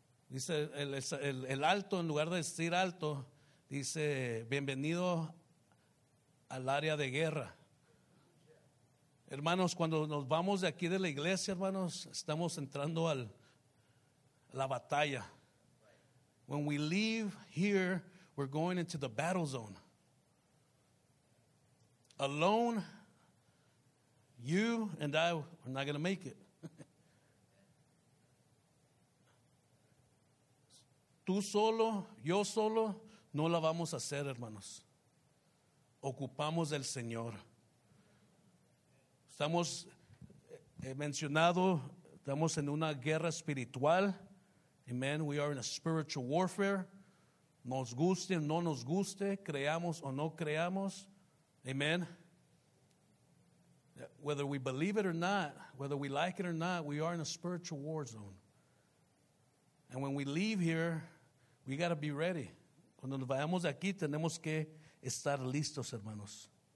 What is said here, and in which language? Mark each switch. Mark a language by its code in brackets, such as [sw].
[es] Dice el alto, en lugar de decir alto, dice, bienvenido al área de guerra. Hermanos, cuando nos vamos de aquí de la iglesia, hermanos, estamos entrando a la batalla. [en] When we leave here, we're going into the battle zone. Alone, you and I are not going to make it. [es] Tú solo, yo solo, no la vamos a hacer, hermanos. Ocupamos del Señor. Estamos, he mencionado, estamos en una guerra espiritual. Amen. [en] We are in a spiritual warfare. [es] Nos guste o no nos guste, creamos o no creamos. Amen. [en] Whether we believe it or not, whether we like it or not, we are in a spiritual war zone. And when we leave here, we got to be ready. [es] Cuando nos vayamos de aquí, tenemos que estar listos, hermanos.